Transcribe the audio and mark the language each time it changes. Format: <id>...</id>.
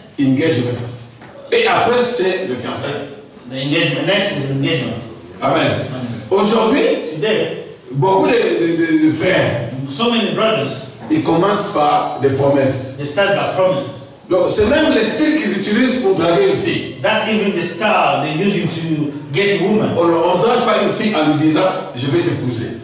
<fr>Engagement. Et après, c'est le fiancé.</fr> <en>The engagement. Next is engagement.</en> <fr>Amen. Aujourd'hui,</fr> <en>today,</en> <fr>beaucoup de frères.</fr> <en>So many brothers.</en> <fr>Ils commencent par des promesses.</fr> <en>They start by promises.</en> <fr>Donc c'est même les styles qu'ils utilisent pour draguer une fille.</fr> <en>That's even the style they use to get a woman.</en> <fr>On drague pas une fille en lui disant je vais t'épouser.</fr>